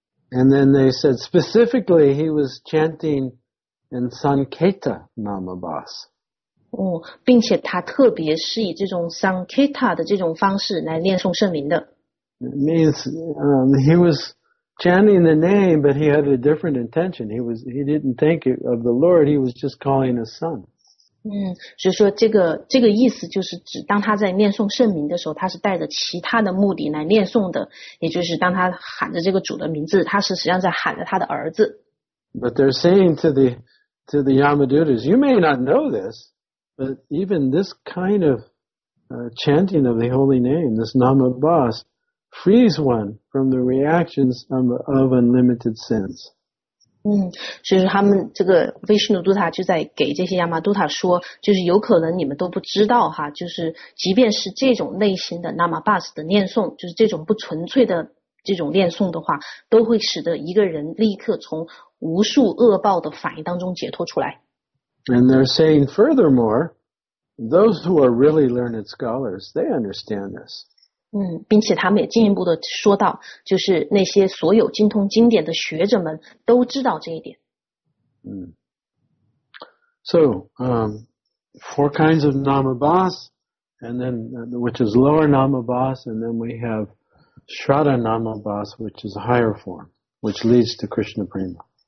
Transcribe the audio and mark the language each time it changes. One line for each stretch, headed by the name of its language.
English: And then they said specifically he was chanting in Sanketa Nama Bas.
Chinese: 并且他特别是以这种 Sanketa 的这种方式来念诵圣名的。
English: It means he was chanting the name, but he had a different intention. He didn't think of the Lord. He was just calling his son.
Chinese: 所以说这个意思就是指当他在念诵圣名的时候，他是带着其他的目的来念诵的，也就是当他喊着这个主的名字，他是实际上在喊着他的儿子。
English: But they're saying to the Yamadutas, you may not know this, but even this kind of chanting of the holy name, this Nama Bas, frees one from the reactions of unlimited sins.
Chinese: 所以说他们这个 Vishnudutta 就在给这些 Yamadutta 说，就是有可能你们都不知道哈，就是即便是这种类型的 Nama Bas 的念诵，就是这种不纯粹的这种念诵的话，都会使得一个人立刻从无数恶报的反应当中解脱出来。
English: And they're saying furthermore, those who are really learned scholars, they understand this.
Chinese: 并且他们也进一步的说到，就是那些所有精通经典的学者们都知道这一点。
English: So, four kinds of Nama Bas, and then which is lower Nama Bas, and then we have Shraddha Nama Bas, which is a higher form, which leads to Krishna Prema.